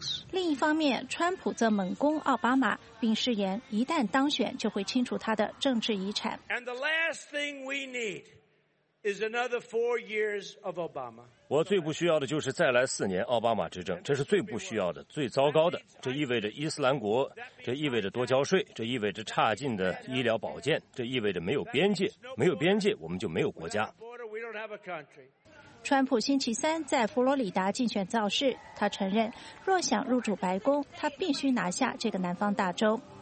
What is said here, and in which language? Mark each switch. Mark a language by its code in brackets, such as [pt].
[zh] 另一方面，川普则猛攻奥巴马，并誓言一旦当选就会清除他的政治遗产。 [en] And the last thing we need is another 4 years of Obama. [zh] 我最不需要的就是再来4年奥巴马执政，这是最不需要的、最糟糕的。这意味着伊斯兰国，这意味着多交税，这意味着差劲的医疗保健，这意味着没有边界，没有边界我们就没有国家。川普星期三在佛罗里达竞选造势，他承认若想入主白宫，他必须拿下这个南方大州。